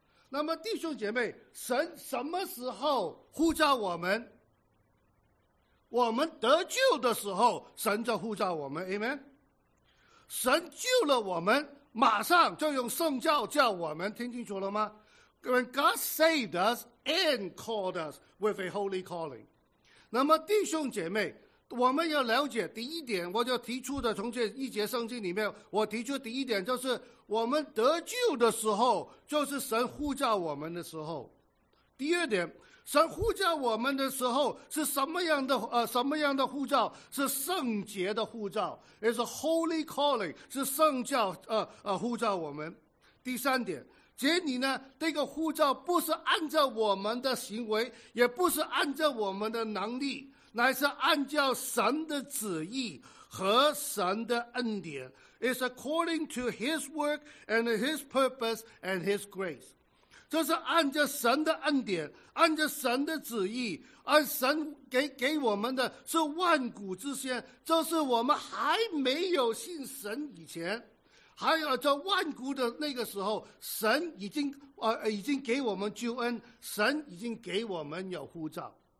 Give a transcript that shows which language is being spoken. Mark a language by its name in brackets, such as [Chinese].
[Chinese] 那么弟兄姐妹，神什么时候呼召我们？我们得救的时候，神就呼召我们。 Amen。神救了我们，马上就用圣召叫我们，听清楚了吗？ [English] When God saved us and called us with a holy calling。 [Chinese] 那么弟兄姐妹，我们要了解第一点，我就提出的从这一节圣经里面，我提出第一点就是，我们得救的时候，就是神呼召我们的时候。第二点，神呼召我们的时候是什么样的？什么样的呼召？是圣洁的呼召 ， [English] is a holy calling， [Chinese] 是圣教呼召我们。第三点，这里呢，这个呼召不是按照我们的行为，也不是按照我们的能力，乃是按照神的旨意和神的恩典。 [English] It's according to His work and His purpose and His grace. [Chinese] 这是按着神的恩典，按着神的旨意，按神 给我们的是万古之先，这是我们还没有信神以前，还有在万古的那个时候，神已经给我们救恩，神已经给我们有呼召。